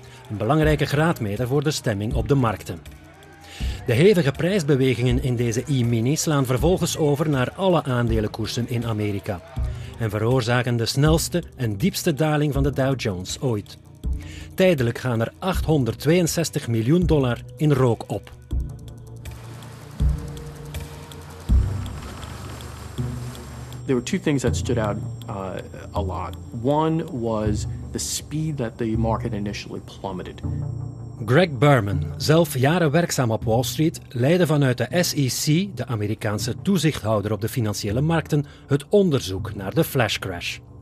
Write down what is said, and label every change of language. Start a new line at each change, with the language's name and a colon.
Dutch: Een belangrijke graadmeter voor de stemming op de markten. De hevige prijsbewegingen in deze E-mini slaan vervolgens over naar alle aandelenkoersen in Amerika en veroorzaken de snelste en diepste daling van de Dow Jones ooit. Tijdelijk gaan er $862 miljoen in rook op.
English: There were two things that stood out a lot. One was the speed that the market initially plummeted.
Dutch: Greg Berman, zelf jaren werkzaam op Wall Street, leidde vanuit de SEC, de Amerikaanse toezichthouder op de financiële markten, het onderzoek naar de flashcrash.